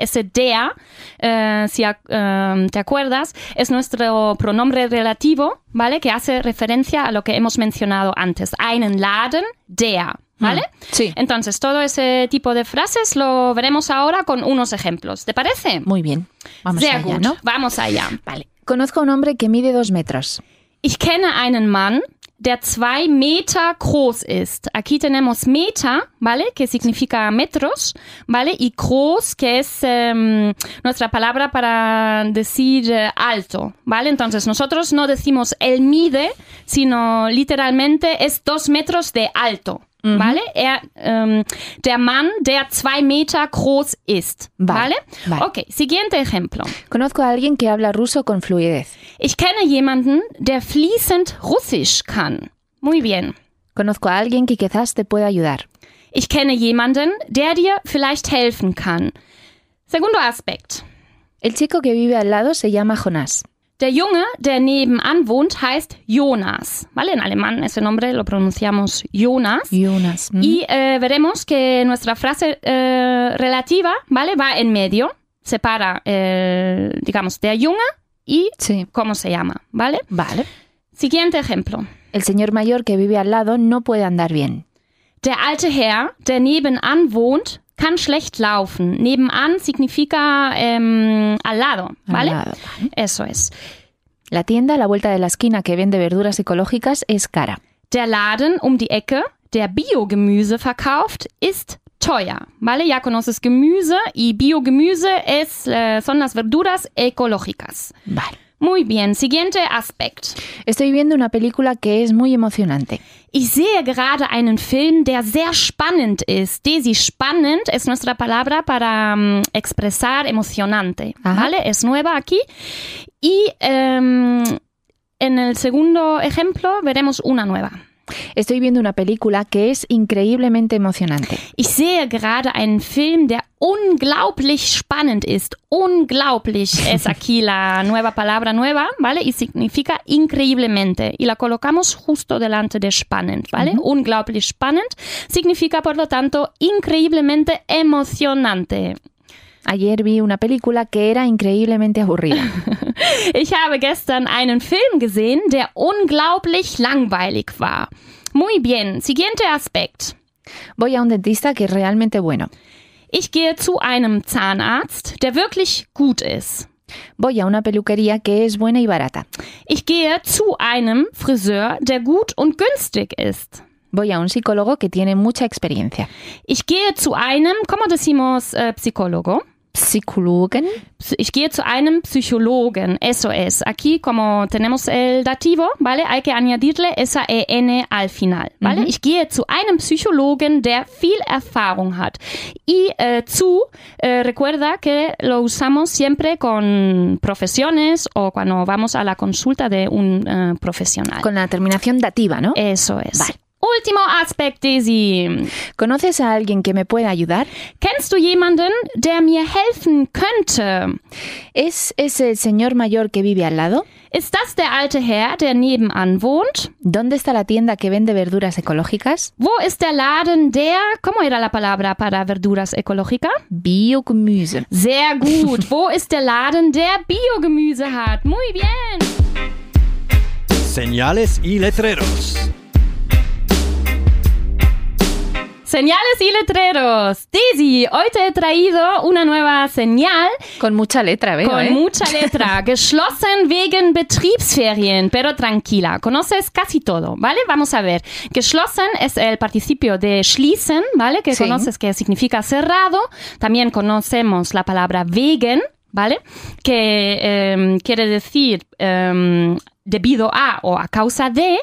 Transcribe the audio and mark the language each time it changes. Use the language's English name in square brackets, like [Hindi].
[Spanish] Ese der, te acuerdas, es nuestro pronombre relativo, ¿vale? Que hace referencia a lo que hemos mencionado antes, [German] einen Laden, der. [Spanish] ¿Vale? Sí. Entonces, todo ese tipo de frases lo veremos ahora con unos ejemplos. ¿Te parece? Muy bien. Vamos [German] Sehr [Spanish] allá, [German] gut. [Spanish] ¿No? Vamos allá. Vale. Conozco un hombre que mide 2 metros. [German] Ich kenne einen Mann, der 2 Meter groß ist. [Spanish] Aquí tenemos Meter, ¿vale? Que significa metros, ¿vale? Y groß, que es nuestra palabra para decir alto, ¿vale? Entonces, nosotros no decimos él mide, sino literalmente es 2 metros de alto. Uh-huh. ¿Vale? [German] Der Mann, der 2 Meter groß ist. [Spanish] Vale, ¿vale? Vale. Ok, siguiente ejemplo. Conozco a alguien que habla ruso con fluidez. [German] Ich kenne jemanden, der fließend Russisch kann. [Spanish] Muy bien. Conozco a alguien que quizás te pueda ayudar. [German] Ich kenne jemanden, der dir vielleicht helfen kann. [Spanish] Segundo aspect. El chico que vive al lado se llama Jonás. [German] Der Junge, der nebenan wohnt, heißt Jonas. [Spanish] ¿Vale? En alemán ese nombre lo pronunciamos Jonas. Jonas. Mm. Y veremos que nuestra frase relativa, ¿vale? Va en medio, separa, digamos, [German] der Junge [Spanish] y cómo se llama. ¿Vale? Vale. Siguiente ejemplo. El señor mayor que vive al lado no puede andar bien. [German] Der alte Herr, der nebenan wohnt, kann schlecht laufen. [Spanish] Nebenan significa al lado, ¿vale? Al lado. Eso es. La tienda a la vuelta de la esquina que vende verduras ecológicas es cara. [German] Der Laden um die Ecke, der Biogemüse verkauft, ist teuer. [Spanish] ¿Vale? Ya conoces Gemüse y Biogemüse es, son las verduras ecológicas. Vale. Muy bien, siguiente aspect. Estoy viendo una película que es muy emocionante. [German] Ich sehe gerade einen Film, der sehr spannend ist. [Spanish] Daisy, spannend es nuestra palabra para expresar emocionante. Ajá. ¿Vale? Es nueva aquí. Y en el segundo ejemplo veremos una nueva. Estoy viendo una película que es increíblemente emocionante. [German] Ich sehe gerade einen Film, der unglaublich spannend ist. [Spanish] Unglaublich es aquí la nueva palabra nueva, ¿vale? Y significa increíblemente. Y la colocamos justo delante de spannend, ¿vale? Uh-huh. Unglaublich spannend significa, por lo tanto, increíblemente emocionante. Ayer vi una película que era increíblemente aburrida. [German] Ich habe gestern einen Film gesehen, der unglaublich langweilig war. [Spanish] Muy bien, siguiente aspect. Voy a un dentista que es realmente bueno. Ich gehe zu einem Zahnarzt, der wirklich gut ist. Voy a una peluquería que es buena y barata. Ich gehe zu einem Friseur, der gut und günstig ist. Voy a un psicólogo que tiene mucha experiencia. [German] Ich gehe zu einem, [Spanish] ¿cómo decimos psicólogo? [German] Psychologen. Ich gehe zu einem Psychologen, [Spanish] eso es. Aquí, como tenemos el dativo, ¿vale? Hay que añadirle esa EN al final, ¿vale? [German] Mhm. Ich gehe zu einem Psychologen, der viel Erfahrung hat. [Spanish] Y zu, recuerda que lo usamos siempre con profesiones o cuando vamos a la consulta de un profesional. Con la terminación dativa, ¿no? Eso es. Vale. Último aspect, Daisy. ¿Conoces a alguien que me pueda ayudar? [German] ¿Kennst du jemanden, der mir helfen könnte? [Spanish] ¿Es ese señor mayor que vive al lado? [German] ¿Ist das der alte Herr, der nebenan wohnt? [Spanish] ¿Dónde está la tienda que vende verduras ecológicas? [German] ¿Wo ist der Laden, der... [Spanish] ¿Cómo era la palabra para verduras ecológicas? [German] Biogemüse. Sehr gut. ¿Wo ist der Laden, der Biogemüse hat? [Spanish] Muy bien. Señales y letreros. Señales y letreros. Daisy, hoy te he traído una nueva señal. Con mucha letra, veo. Con mucha letra. [German] Geschlossen wegen Betriebsferien. [Spanish] Pero tranquila, conoces casi todo, ¿vale? Vamos a ver. Geschlossen es el participio de schließen, ¿vale? Que sí. Conoces que significa cerrado. También conocemos la palabra wegen, ¿vale? Que quiere decir... debido a o a causa de,